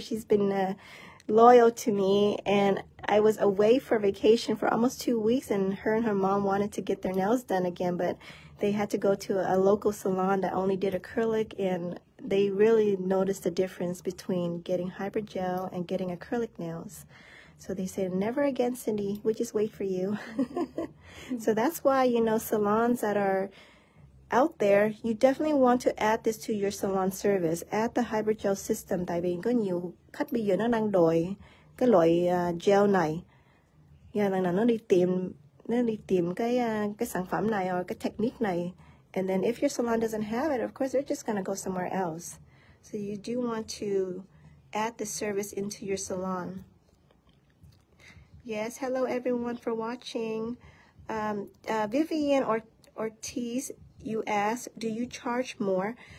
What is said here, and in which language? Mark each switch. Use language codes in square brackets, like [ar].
[en] She's been loyal to me, and I was away for vacation for almost 2 weeks, and her mom wanted to get their nails done again, but they had to go to a local salon that only did acrylic, and they really noticed the difference between getting hybrid gel and getting acrylic nails. So they said, never again, Cindy, we'll just wait for you. So that's why, you know, salons that are out there, you definitely want to add this to your salon service. Add the hydrogel system [vi] tại vì có nhiều khách bây giờ nó đang đòi cái loại gel này. Yeah, là nó đi tìm cái sản phẩm này or cái technique này. [en] And then if your salon doesn't have it, of course they're just gonna go somewhere else. So you do want to add the service into your salon. Yes, hello everyone for watching. Vivian Ortiz, you asked, do you charge more?